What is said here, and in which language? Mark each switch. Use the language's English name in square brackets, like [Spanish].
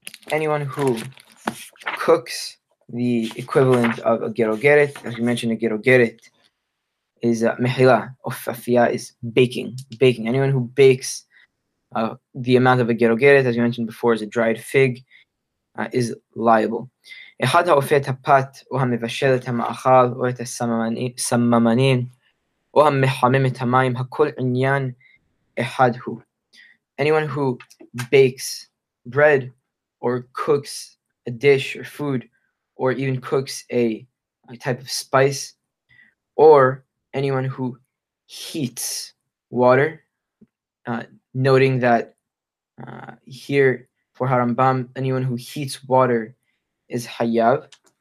[English] Anyone who cooks the equivalent of a gerogeret, as you mentioned, a gerogeret is mechila, of afiyah is baking. Baking. Anyone who bakes the amount of a gerogeret, as you mentioned before, is a dried fig, is liable. [Hebrew] אחד האופה את הפת או המבשל את המאכל או את הסממנים או המחמם את המים, הכל עניין אחד הוא. [English] Anyone who bakes bread or cooks a dish or food or even cooks a type of spice, or anyone who heats water, noting that here for Harambam, anyone who heats water is hayav.